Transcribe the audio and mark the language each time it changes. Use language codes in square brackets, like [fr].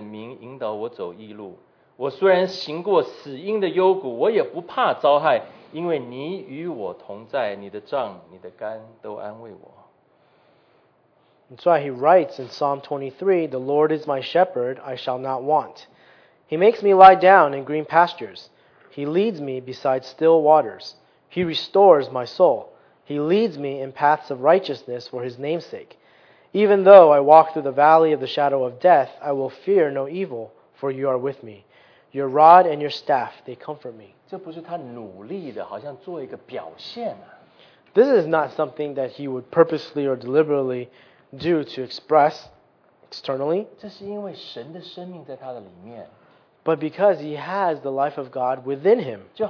[zh] 诗篇23篇里面他说：“你是我的牧者，我不致缺乏。你使我躺卧在青草地上，领我到可安歇的水边，因为你使我的灵魂苏醒，为自己的名引导我走义路。” 我虽然行过死荫的幽谷，我也不怕遭害，因为你与我同在，你的杖、你的竿都安慰我。 [en] That's why he writes in Psalm 23, "The Lord is my shepherd; I shall not want. He makes me lie down in green pastures. He leads me beside still waters. He restores my soul. He leads me in paths of righteousness for His name'sake. Even though I walk through the valley of the shadow of death, I will fear no evil, for You are with me." Your rod and your staff, they comfort me. [zh] 这不是他努力的，好像做一个表现啊。 [en] This is not something that he would purposely or deliberately do to express externally. [zh] 这是因为神的生命在他的里面。 [en] But because he has the life of God within him.